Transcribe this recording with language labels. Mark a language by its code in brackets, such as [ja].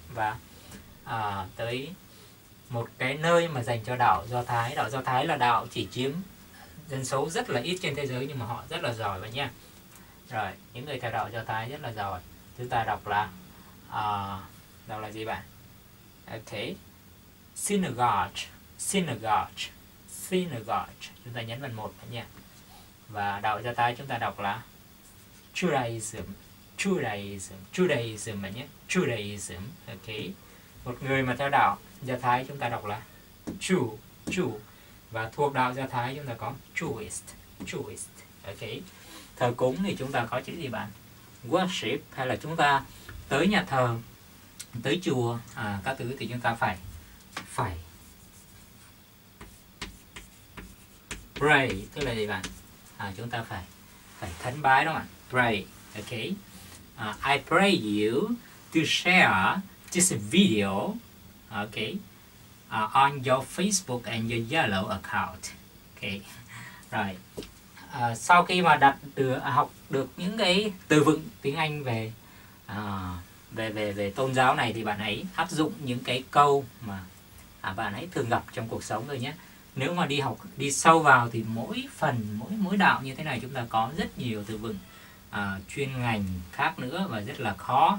[vi] Và tới một cái nơi mà dành cho đạo Do Thái. Đạo Do Thái là đạo chỉ chiếm dân số rất là ít trên thế giới nhưng mà họ rất là giỏi bạn nhé. Rồi, những người theo đạo Do Thái rất là giỏi. Chúng ta đọc là gì bạn? Ok. [en] synagogue, synagogue, synagogue. [vi] Chúng ta nhấn lần một nữa nha. Và đọc ra tay chúng ta đọc là Judaism, Judaism, Judaism mà nhé, Judaism, ok. Một người mà theo đạo Do Thái chúng ta đọc là Chu, Chu. Và thuộc đạo Do Thái chúng ta có Jewish, Jewish, ok. Thờ cúng thì chúng ta có chữ gì bạn? Worship, hay là chúng ta tới nhà thờ, tới chùa, à, các thứ thì chúng ta phải, phải pray, tức là gì bạn? À, chúng ta phải, phải thánh bái đúng không ạ? [en] Pray, ok. I pray you to share this video, ok, on your Facebook and your Yellow account, ok. [vi] Rồi, sau khi mà đặt được, học được những cái từ vựng tiếng Anh về, về về về tôn giáo này thì bạn ấy áp dụng những cái câu mà bạn ấy thường gặp trong cuộc sống rồi nhé. Nếu mà đi học đi sâu vào thì mỗi phần mỗi mỗi đạo như thế này chúng ta có rất nhiều từ vựng chuyên ngành khác nữa và rất là khó.